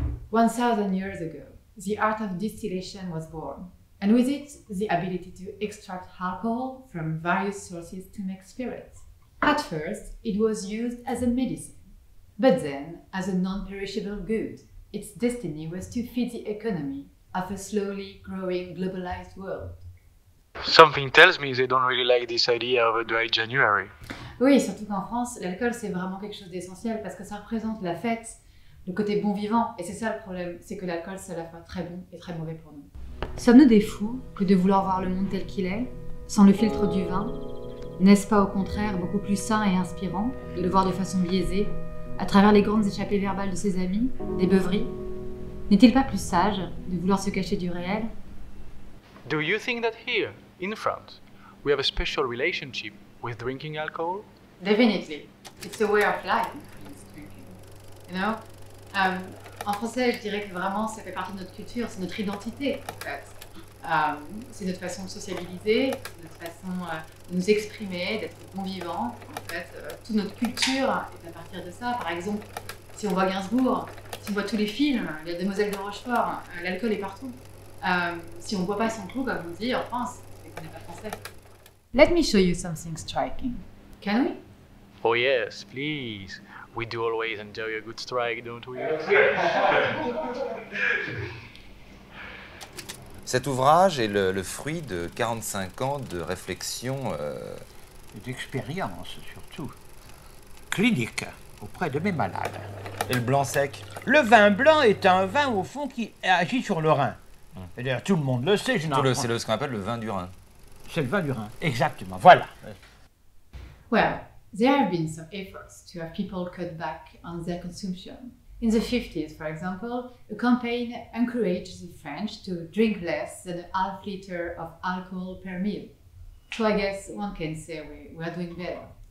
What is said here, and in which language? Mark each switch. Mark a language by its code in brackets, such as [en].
[en] 1,000 years ago, the art of distillation was born, and with it, the ability to extract alcohol from various sources to make spirits. At first, it was used as a medicine, but then, as a non-perishable good, its destiny was to feed the economy of a slowly growing globalized world. Something tells me they don't really like this idea of a dry January. [fr] Oui, surtout qu'en France, l'alcool c'est vraiment quelque chose d'essentiel parce que ça représente la fête, le côté bon vivant, et c'est ça le problème, c'est que l'alcool c'est à la fois très bon et très mauvais pour nous. Sommes-nous des fous que de vouloir voir le monde tel qu'il est, sans le filtre du vin? N'est-ce pas au contraire beaucoup plus sain et inspirant de le voir de façon biaisée, à travers les grandes échappées verbales de ses amis, des beuveries? N'est-il pas plus sage de vouloir se cacher du réel? [en] Do you think that here, in France, we have a special relationship with drinking alcohol? Definitely. It's a way of life, drinking. You know? [fr] En français, je dirais que vraiment, ça fait partie de notre culture, c'est notre identité, en fait. C'est notre façon de sociabiliser, notre façon de nous exprimer, d'être bon vivant. En fait, toute notre culture est à partir de ça. Par exemple, si on voit Gainsbourg, si on voit tous les films, la Demoiselle de Rochefort, l'alcool est partout. Si on ne boit pas son coup, comme on dit en France, c'est qu'on n'est pas français. [en] Let me show you something striking. Can we? Oh yes, please. We do always enjoy a good strike, don't we? [fr] Cet ouvrage est le fruit de 45 ans de réflexion et d'expérience, surtout, clinique, auprès de mes malades. Et le blanc sec? Le vin blanc est un vin, au fond, qui agit sur le rein. Mmh. Et d'ailleurs, tout le monde le sait, généralement. C'est ce qu'on appelle le vin du rein. C'est le vin du rein, exactement, voilà. [en] Well, there have been some efforts to have people cut back on their consumption. In the 50s, for example, a campaign encouraged the French to drink less than a half liter of alcohol per meal. So I guess one can say we are doing better.